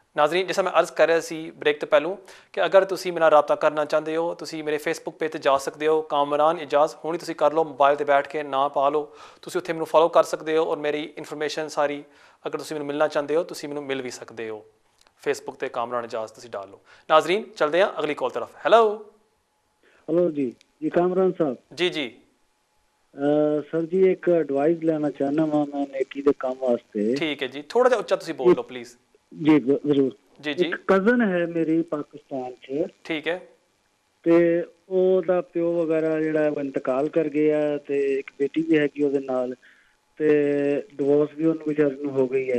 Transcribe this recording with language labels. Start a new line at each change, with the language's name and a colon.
Hindi: नाजरीन जैसा मैं अर्ज़ कर रहा सी ब्रेक तो पहलू कि अगर तुम मेरा राबता करना चाहते हो, तुम मेरे फेसबुक पेज पर जा सकते हो, कामरान इजाज हूँ ही तुम कर लो, मोबाइल पर बैठ के ना पा लो, तुम उत्थे मैनू फॉलो कर सकते हो और मेरी इन्फॉर्मेशन सारी अगर तुम मैनू मिलना चाहते हो तो मैनू मिल भी सकते हो फेसबुक पर, कामरान इजाज तुम डाल लो। नाजरीन चलते हैं अगली कॉल तरफ। हैलो हेलो जी, जी कामरान साहब। जी जी
Punjabi: ਸਰ ਜੀ ਇੱਕ ਐਡਵਾਈਸ ਲੈਣਾ ਚਾਹੁੰਦਾ ਵਾਂ ਮੈਂ ਨੇਕੀ ਦੇ ਕੰਮ ਵਾਸਤੇ। ਠੀਕ ਹੈ ਜੀ, ਥੋੜਾ ਜਿਹਾ ਉੱਚਾ ਤੁਸੀਂ ਬੋਲ ਲਓ ਪਲੀਜ਼। ਜੀ ਜ਼ਰੂਰ ਜੀ ਜੀ। ਇੱਕ ਕਜ਼ਨ ਹੈ ਮੇਰੀ ਪਾਕਿਸਤਾਨ 'ਚ। ਠੀਕ ਹੈ। ਤੇ ਉਹਦਾ ਪਿਓ ਵਗੈਰਾ ਜਿਹੜਾ ਉਹ ਇੰਤਕਾਲ ਕਰ ਗਿਆ ਤੇ ਇੱਕ ਬੇਟੀ ਵੀ ਹੈਗੀ ਉਹਦੇ ਨਾਲ, ਤੇ ਡਿਵੋਰਸ ਵੀ ਉਹਨੂੰ ਵਿਚਾਰੇ ਨੂੰ ਹੋ ਗਈ ਹੈ।